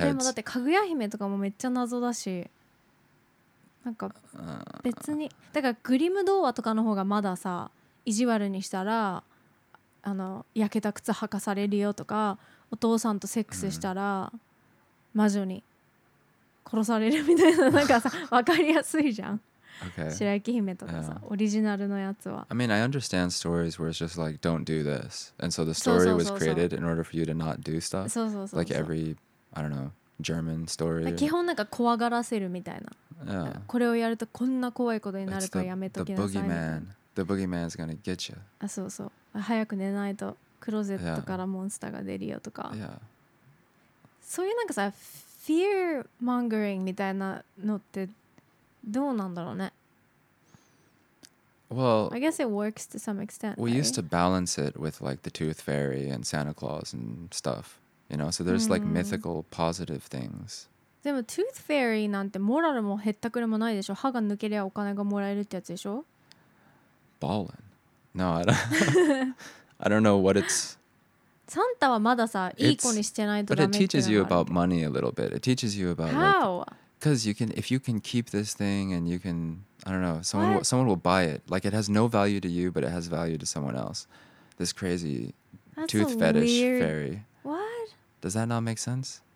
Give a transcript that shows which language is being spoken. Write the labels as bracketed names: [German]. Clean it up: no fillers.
[Japanese] でもだってかぐや姫とかもめっちゃ謎だし。なんか別にだからグリム童話とかの方がまださ、意地悪にしたらあの焼けた靴履かされるよとか、お父さんとセックスしたら魔女に殺されるみたいな、なんかさ分かりやすいじゃん。 [English] Okay. [Japanese] 白雪姫とかさ、yeah. オリジナルのやつは。 [English] I mean, I understand stories where it's just like, don't do this. And so the story was created in order for you to not do stuff. [Japanese] そうそうそう。 [English] Like every, I don't know, German story. [Japanese] 基本なんか怖がらせるみたいな。これをやるとこんな怖いことになるからやめときなさい。 [English] The boogeyman. The boogeyman is gonna get you. [Japanese] あ、そうそう。早く寝ないとクローゼットからモンスターが出るよとか。 [English] Yeah. [Japanese] そういうなんかさ、 [English] fear mongering [Japanese] みたいなのってどうなんだろうね。 [English] Well, I guess it works to some extent. We used to balance it with like the Tooth Fairy and Santa Claus and stuff, you know. So there's like mythical positive things. [Japanese] でも Tooth Fairy なんてモラルもヘッタクレもないでしょ。歯が抜けりゃお金がもらえるってやつでしょ。 [English] Ballin. No, I don't. I don't know what it's. [Japanese] サンタはまださ、いい子にしてないとダメ。 [English] But it teaches you about money a little bit. It teaches you about how. Like,because you can, if you can keep this thing and you can, I don't know, someone will buy it. Like it has no value to you, but it has value to someone else. This crazy、 That's、 tooth fetish fairy. What? Does that not make sense?